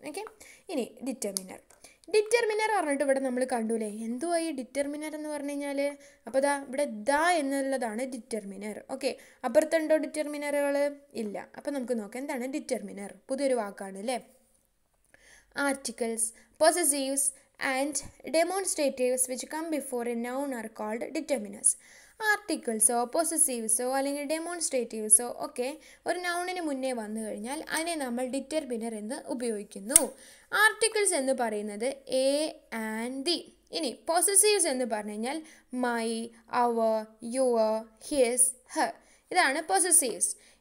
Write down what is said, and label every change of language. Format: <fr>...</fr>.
<ml>Okay, ഇനി determiner. Determiner പറഞ്ഞിട്ട് ഇവിടെ നമ്മൾ കണ്ടു അല്ലേ, എന്തുവാ ഈ ഡിറ്റർമിനർ എന്ന് പറഞ്ഞു കഴിഞ്ഞാൽ. അപ്പോൾ ദാ ഇവിടെ ദ എന്നുള്ളതാണ് ഡിറ്റർമിനർ. ഓക്കെ, അപ്പുറത്തുണ്ടോ ഡിറ്റർമിനറുകൾ? ഇല്ല. അപ്പം നമുക്ക് നോക്കാം എന്താണ് ഡിറ്റർമിനർ, പുതിയൊരു വാക്കാണ് അല്ലേ. Articles, പൊസസീവ്സ്,</ml> <en>and demonstratives which come before a noun are called determiners.</en> <ml>ആർട്ടിക്കിൾസോ പൊസസീവ്സോ അല്ലെങ്കിൽ ഡെമോൺസ്ട്രേറ്റീവ്സോ ഒക്കെ ഒരു നൗണിന് മുന്നേ വന്നു കഴിഞ്ഞാൽ അതിനെ നമ്മൾ ഡിറ്റർമിനർ എന്ന് ഉപയോഗിക്കുന്നു. ആർട്ടിക്കിൾസ് എന്ന് പറയുന്നത് എ ആൻഡ് ദി. ഇനി പൊസസീവ്സ് എന്ന് പറഞ്ഞു കഴിഞ്ഞാൽ my, our, your, his, Har, ഇതാണ് പൊസസീവ്സ്.</ml>